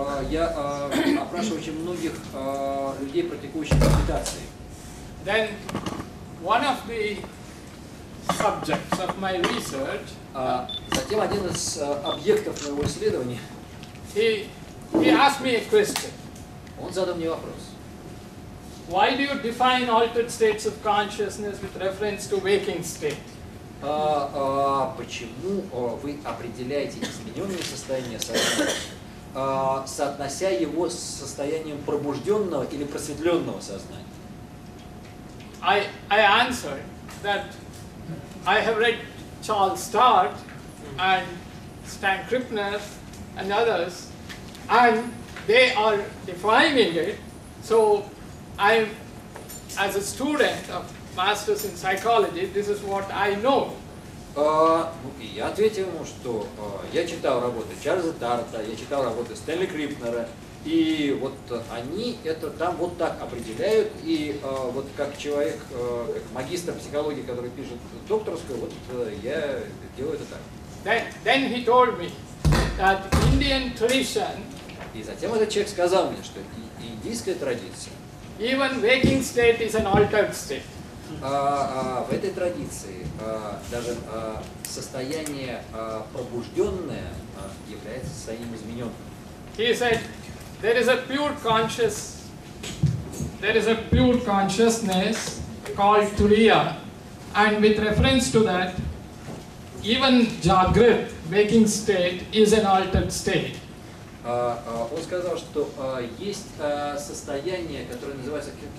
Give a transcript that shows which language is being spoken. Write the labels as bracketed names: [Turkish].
[Russian] Я опрашивал очень многих людей, практикующих медитации. [English] Then one of the subjects of my research. [Russian] Затем один из объектов моего исследования. [English] He asked me a question. [Russian] Он задал мне вопрос. [English] Why do you define altered states of consciousness with reference to waking state? [Russian] Почему вы определяете измененное состояние сознания, соотнося его с состоянием пробужденного или просветленного сознания? [English] I answered that I have read Charles Sturt and Stan Krippner and others, and they are defining it. So I'm, as a student of Masters in Psychology, this is what I know. [Russian] Я ответил ему, что я читал работы Чарльза Дарта, я читал работы Стэнли Крипнера, и вот они это там вот так определяют, и вот как человек, как магистр психологии, который пишет докторскую, вот я делаю это так. [English] Then he told me that Indian tradition. [Russian] И затем этот человек сказал мне, что индийская традиция. [English] Even waking state is an altered state. [Russian] В этой традиции даже состояние пробужденное является состоянием измененным. [English] He said, there is a pure conscious, there is a pure consciousness called Turiya, and with reference to that, even Jagrit, waking state, is an altered state. [Russian] Он сказал, что есть состояние, которое называется